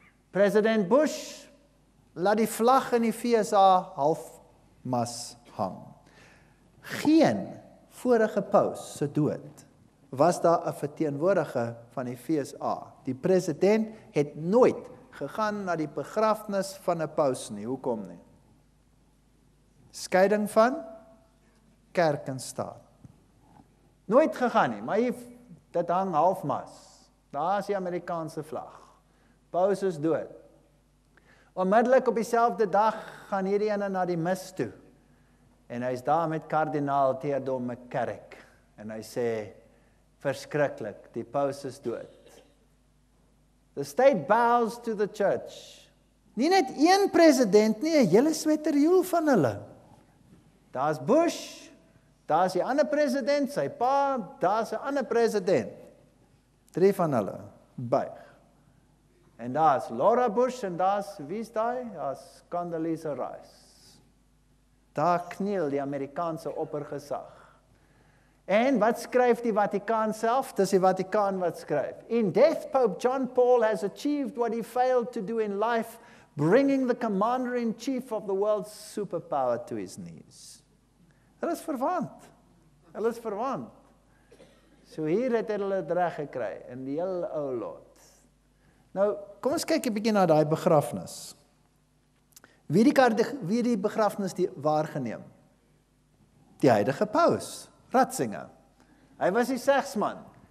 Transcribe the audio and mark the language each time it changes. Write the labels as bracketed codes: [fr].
[af] President Bush laat die vlag in die VSA halfmas hang. Geen vorige paus se dood was daar 'n verteenwoordiger van die VSA. Die president het nooit gegaan na die begrafnis van 'n paus nie. Hoekom nie? Skeiding van kerk en staat. Nooit gegaan nie, maar dit hang halfmas. Daar is die Amerikaanse vlag. Paus is dood. Onmiddellik op dieselfde dag gaan hierdie ene na die mis toe. En hy is daar met kardinaal Theodor McCarrick. En hy sê, verskriklik, die paus is dood. [en] The state bows to the church. [af] Nie net een president nie, 'n hele sweterjoel van hulle. Daar is Bush, daar is die ander president, sy pa, daar is die ander president. 3 van hulle buig. En daar's Laura Bush en daar's Wiesdai, daar's Condoleezza Rice. Daar kniel die Amerikaanse oppergesag. En wat skryf die Vatikaan self? Dis die Vatikaan wat skryf. [en] In death, Pope John Paul has achieved what he failed to do in life, bringing the commander-in-chief of the world's superpower to his knees. [af] Hulle is verwant. Hulle is verwant. So hier het hulle dit reg gekry, in die heel ou lot. Nou, kom ons kyk 'n bietjie na daai begrafnis. Wie die begrafnis die waargeneem? Die huidige paus, Ratzinger. Hy was die segsman.